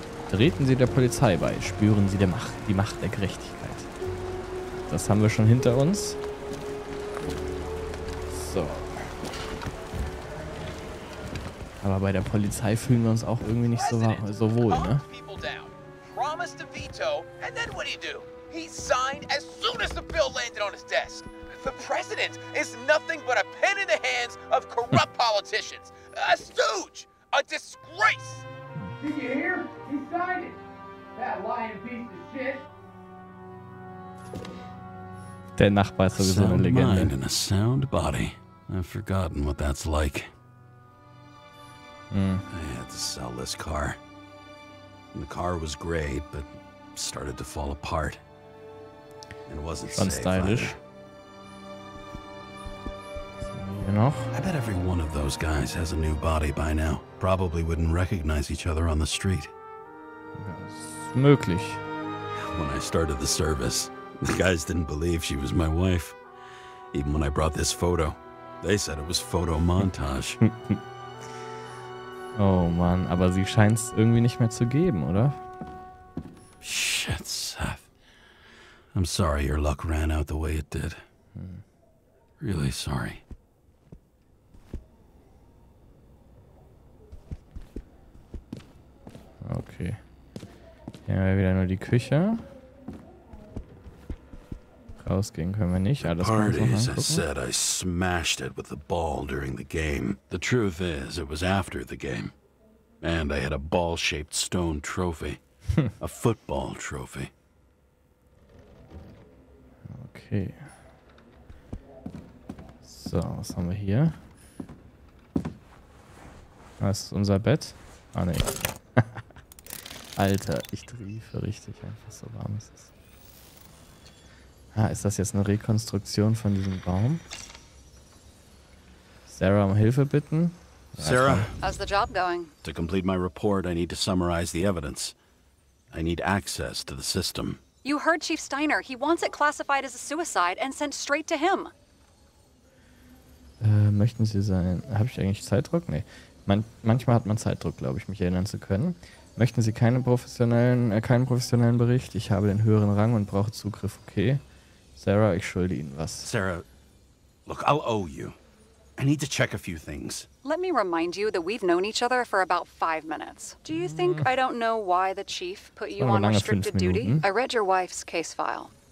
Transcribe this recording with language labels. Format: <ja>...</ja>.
<de>Treten Sie der Polizei bei. Spüren Sie die Macht der Gerechtigkeit. Das haben wir schon hinter uns. So. Aber bei der Polizei fühlen wir uns auch irgendwie nicht so, so wohl, ne?</de> <en>Promised a veto, and then what did he do? He signed as soon as the bill landed on his desk. The president is nothing but a pin in the hands of corrupt politicians. A stooge, a disgrace. Did you hear? He signed it. That lying piece of shit.</en> <de>Der Nachbar ist sowieso eine Legende.</de> <en>Sound mind and a sound body. I've forgotten what that's like. I had to sell this car. The car was great, but started to fall apart. And it wasn't safe. Stylish. I bet every one of those guys has a new body by now. Probably wouldn't recognize each other on the street.</en> <de>Möglich.</de> <en>When I started the service, the guys didn't believe she was my wife. Even when I brought this photo, they said it was photo montage.</en> <de>Oh Mann, aber sie scheint es irgendwie nicht mehr zu geben, oder?</de> <en>Shit, Seth. I'm sorry your luck ran out the way it did. Really sorry. Okay.</en> <de>Hier haben wir wieder nur die Küche. Rausgehen können wir nicht. Ah, das</de> <en>party, as I said, I smashed it with the ball during the game. The truth is, it was after the game. And I had a ball-shaped stone trophy. A football trophy. Okay.</en> <de>So, was haben wir hier? Das ist unser Bett. Ah, ne. Alter, ich triefe richtig einfach so warm es ist. Ah, ist das jetzt eine Rekonstruktion von diesem Baum? Sarah um Hilfe bitten. Sarah,</de> <en>how's the job going? To complete my report, I need to summarize the evidence. I need access to the system. You heard Chief Steiner. He wants it classified as a suicide and sent straight to him.</en> <de>Möchten Sie sein... Habe ich eigentlich Zeitdruck? Nee. Manchmal hat man Zeitdruck, glaube ich, mich erinnern zu können. Möchten Sie keinen professionellen Bericht? Ich habe den höheren Rang und brauche Zugriff, okay? Sarah, ich schulde Ihnen was.</de> <en>Sarah, look, I'll owe you. I need to check a few things. Let me remind you that we've known each other for about 5 minutes. Do you think I don't know why the chief put you on restricted duty? I read your wife's case file.</en>